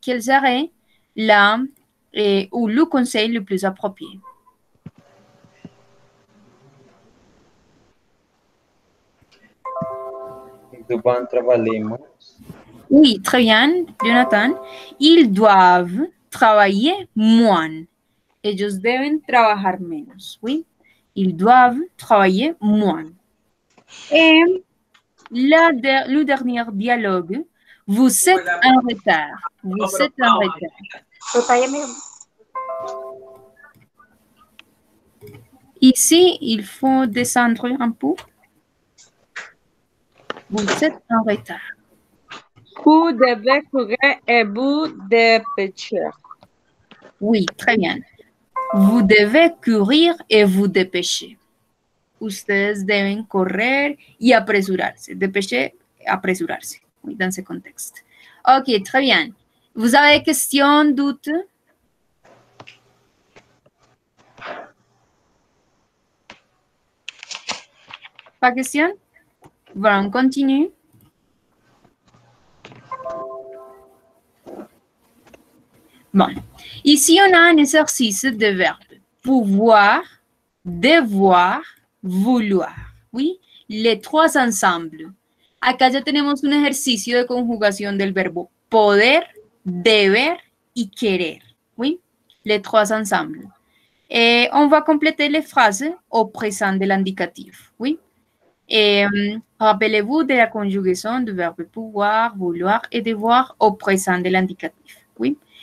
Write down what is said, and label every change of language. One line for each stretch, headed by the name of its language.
French: Quel serait la ou le conseil le plus approprié? Ils doivent travailler moins. Oui, très bien, Jonathan. Ils doivent travailler moins.
Spanish: Ellos deben trabajar menos, oui.
French: Ils doivent travailler moins. Et le dernier dialogue, vous êtes en retard. Vous êtes en retard. Ici, il faut descendre un peu. Vous êtes en retard. Vous devez courir et vous dépêcher. Oui, très bien. Vous devez courir et vous dépêcher.
Spanish: Ustedes deben correr y apresurarse.
French: Dépêcher, apresurarse. Oui, dans ce contexte. Ok, très bien. Vous avez question, doute? Pas question? Bon, on continue. Bon. Ici, on a un exercice de verbe. Pouvoir, devoir, vouloir. Oui, les trois ensembles.
Spanish: Acá ya tenemos un ejercicio de conjugación del verbo poder, deber y querer.
French: Oui, les trois ensembles. Et on va compléter les phrases au présent de l'indicatif. Oui. Rappelez-vous de la conjugaison du verbe pouvoir, vouloir et devoir au présent de l'indicatif. Oui.